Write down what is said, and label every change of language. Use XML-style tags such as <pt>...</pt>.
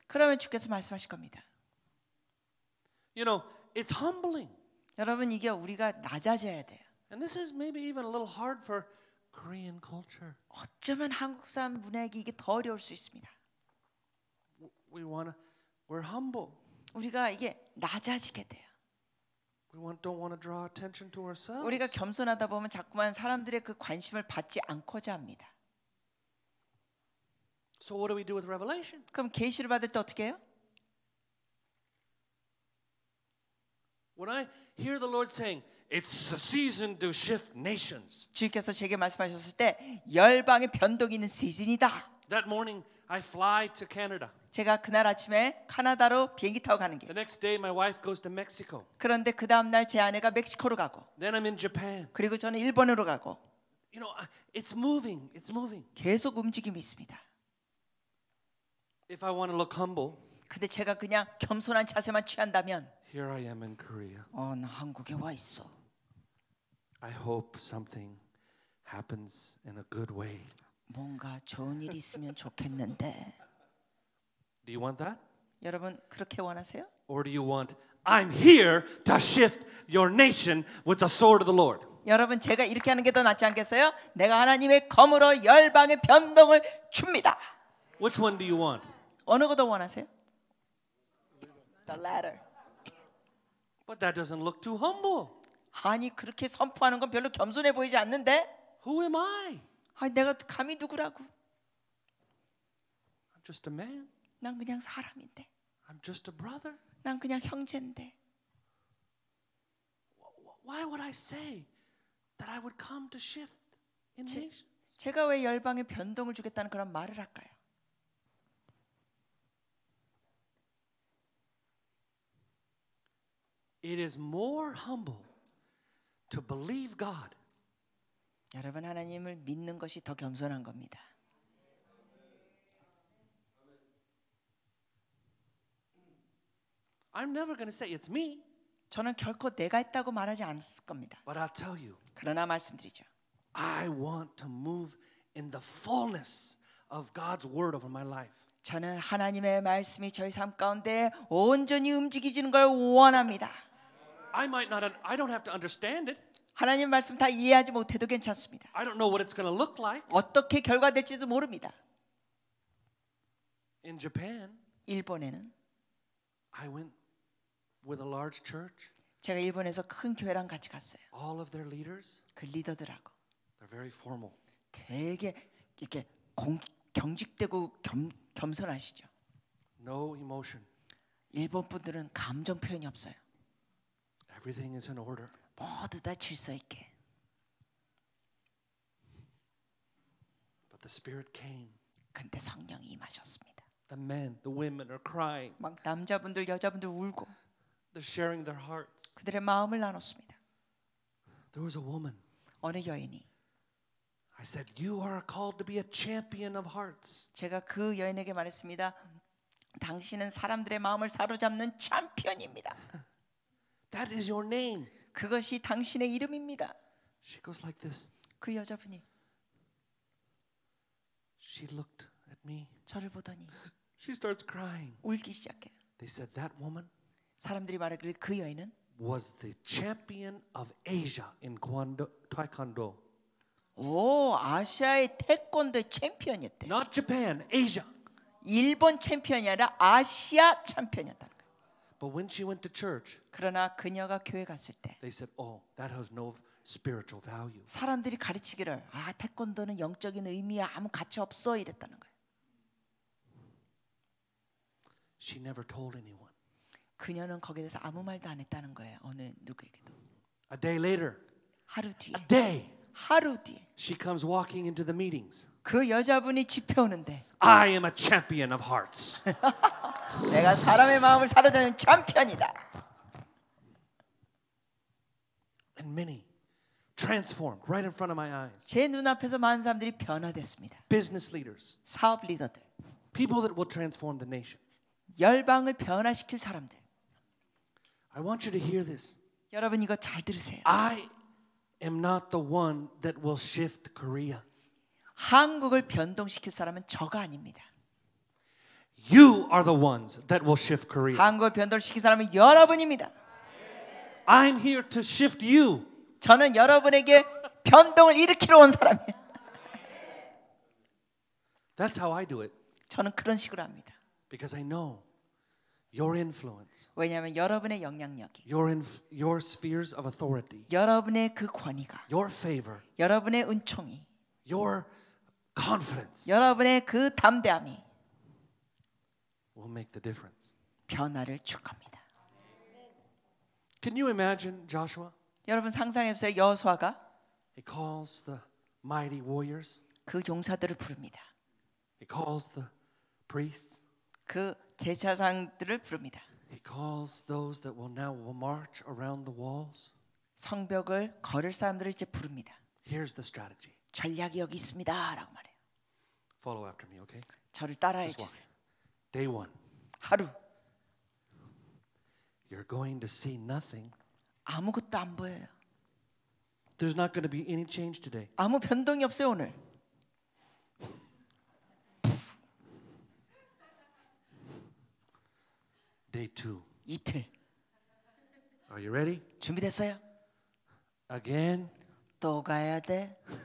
<ko>그러면 주께서 말씀하실 겁니다.</ko> <en>You know, it's humbling.</en> <ko>여러분 이게 우리가 낮아져야 돼요.</ko> <en>And this is maybe even a little hard for Korean culture.</en> <ko>어쩌면 한국 사람 문화에게 이게 더 어려울 수 있습니다.</ko> <en>We're humble.</en> <ko>우리가 이게 낮아지게 돼요.</ko> <en>Don't want to draw attention to ourselves.</en> <ko>우리가 겸손하다 보면 자꾸만 사람들의 그 관심을 받지 않고자 합니다.</ko> <en>So what do we do with revelation?</en> <ko>그럼 계시를 받을 때 어떻게 해요?</ko> <en>When I hear the Lord saying, "It's the season to shift nations."</en> <ko>주께서 제게 말씀하셨을 때 열방의 변동이 있는 시즌이다.</ko> <en>That morning I fly to Canada.</en> <ko>제가 그날 아침에 캐나다로 비행기 타고 가는 길.</ko> <en>The next day my wife goes to Mexico.</en> <ko>그런데 그다음 날 제 아내가 멕시코로 가고.</ko> <en>Then I'm in Japan.</en> <ko>그리고 저는 일본으로 가고.</ko> <en>You know, it's moving. It's moving.</en> <ko>계속 움직임이 있습니다.</ko> <en>If I want to look humble,</en> <ko>근데 제가 그냥 겸손한 자세만 취한다면,</ko> <en>Here I am in Korea.</en> <ko>나 한국에 와 있어.</ko> <en>I hope something happens in a good way.</en> <ko>뭔가 좋은 일이 있으면 좋겠는데.</ko> <en>Do you want that?</en> <ko>여러분 그렇게 원하세요?</ko> <en>Or do you want I'm here to shift your nation with the sword of the Lord?</en> <ko>여러분 제가 이렇게 하는 게 더 낫지 않겠어요? 내가 하나님의 검으로 열방의 변동을 줍니다.</ko> <en>Which one do you want?</en> <ko>어느 거 더 원하세요?</ko> <en>The latter. But that doesn't look too humble.</en> <ko>아니 그렇게 선포하는 건 별로 겸손해 보이지 않는데.</ko> <en>Who am I?</en> <ko>아니 내가 감히 누구라고?</ko> <en>I'm just a man.</en> <ko>난 그냥 사람인데.</ko> <en>I'm just a brother.</en> <ko>난 그냥 형제인데.</ko> <en>Why would I say that I would come to shift in nations?</en> <ko>제가 왜 열방에 변동을 주겠다는 그런 말을 할까요?</ko> <en>It is more humble to believe God.</en> <ko>여러분 하나님을 믿는 것이 더 겸손한 겁니다.</ko> <en>I'm never going to say it's me.</en> <ko>저는 결코 내가 했다고 말하지 않았을 겁니다.</ko> <en>But I'll tell you.</en> <ko>그러나 말씀드리죠.</ko> <en>I want to move in the fullness of God's word over my life.</en> <ko>저는 하나님의 말씀이 저희 삶 가운데 온전히 움직이지는 걸 원합니다.</ko> <en>I don't have to understand it.</en> <ko>하나님 말씀 다 이해하지 못해도 괜찮습니다.</ko> <en>I don't know what it's going to look like.</en> <ko>어떻게 결과 될지도 모릅니다.</ko> <en>In Japan.</en> <ko>일본에는</ko> <en>I went with a large church.</en> <ko>제가 일본에서 큰 교회랑 같이 갔어요.</ko> <en>All of their leaders.</en> <ko>그 리더들하고.</ko> <en>They're very formal.</en> <ko>되게 이렇게 경직되고 겸손하시죠.</ko> <en>No emotion.</en> <ko>일본 분들은 감정 표현이 없어요.</ko> <en>Everything is in order.</en> <ko>모두 다 질서 있게.</ko> <en>But the Spirit came.</en> <ko>근데 성령이 임하셨습니다.</ko> <en>The men, the women are crying.</en> <ko>막 남자분들, 여자분들 울고.</ko> <en>They're sharing their hearts.</en> <ko>그들의 마음을 나눴습니다.</ko> <en>There was a woman.</en> <ko>어느 여인이.</ko> <en>I said, "You are called to be a champion of hearts."</en> <ko>제가 그 여인에게 말했습니다. 당신은 사람들의 마음을 사로잡는 챔피언입니다.</ko> <en>That is your name.</en> <ko>그것이 당신의 이름입니다.</ko> <en>She goes like this.</en> <ko>그 여자분이.</ko> <en>She looked. Me.</en> <ko>저를 보더니</ko> <en>She starts crying.</en> <ko>울기 시작해.</ko> <en>They said that woman</en> <ko>사람들이 말하기를 그 여인은</ko> <en>was the champion of Asia in Taekwondo.</en> <ko>오, 아시아의 태권도의 챔피언이었대.</ko> <en>Not Japan, Asia.</en> <ko>일본 챔피언이 아니라 아시아 챔피언이었다는 거야.</ko> <en>But when she went to church</en> <ko>그러나 그녀가 교회 갔을 때</ko> <en>They said, "Oh, that has no spiritual value."</en> <ko>사람들이 가르치기를 아, 태권도는 영적인 의미에 아무 가치 없어 이랬다는 거야.</ko> <en>She never told anyone.</en> <ko>그녀는 거기에 대해서 아무 말도 안 했다는 거예요. 어느 누구에게도.</ko> <en>A day later.</en> <ko>하루 뒤에.</ko> <en>A day.</en> <ko>하루 뒤에.</ko> <en>She comes walking into the meetings.</en> <ko>그 여자분이 집회 오는데.</ko> <en>I am a champion of hearts.</en> <ko>내가 사람의 마음을 사로잡는 챔피언이다.</ko> <en>And many transformed right in front of my eyes.</en> <ko>제 눈앞에서 많은 사람들이 변화됐습니다.</ko> <en>Business leaders.</en> <ko>사업 리더들.</ko> <en>People that will transform the nation.</en> <ko>열방을 변화시킬 사람들.</ko> <en>I want you to hear this.</en> <ko>여러분 이거 잘 들으세요.</ko> <en>I am not the one that will shift Korea.</en> <ko>한국을 변동시킬 사람은 저가 아닙니다.</ko> <en>You are the ones that will shift Korea.</en> <ko>한국을 변동시킬 사람은 여러분입니다.</ko> <en>I'm here to shift you.</en> <ko>저는 여러분에게 변동을 일으키러 온 사람이에요.</ko> <en>That's how I do it.</en> <ko>저는 그런 식으로 합니다.</ko> <en>Because I know your influence.</en> <ko>왜냐하면 여러분의 영향력이.</ko> <en>Your spheres of authority.</en> <ko>여러분의 그 권위가.</ko> <en>Your favor.</en> <ko>여러분의 은총이.</ko> <en>Your confidence.</en> <ko>여러분의 그 담대함이.</ko> <en>Will make the difference.</en> <ko>변화를 줄 겁니다.</ko> <en>Can you imagine Joshua?</en> <ko>여러분 상상해 보세요. 여호수아가.</ko> <en>He calls the mighty warriors.</en> <ko>그 용사들을 부릅니다.</ko> <en>He calls the priests.</en> <ko>그 제사장들을 부릅니다.</ko> <en>He calls those that will now march around the walls.</en> <ko>성벽을 걸을 사람들을 이제 부릅니다.</ko> <en>Here's the strategy.</en> <ko>전략이 여기 있습니다라고 말해요.</ko> <en>Follow after me, okay?</en> <ko>저를 따라해 주세요.</ko> <en>Day one.</en> <ko>하루.</ko> <en>You're going to see nothing.</en> <ko>아무것도 안 보여요.</ko> <en>There's not going to be any change today.</en> <ko>아무 변동이 없어요 오늘.</ko> <en>Day two.</en> <ko>이틀.</ko> <en>Are you ready?</en> <ko>준비됐어요?</ko> <en>Again.</en> <ko>또 가야 돼.</ko>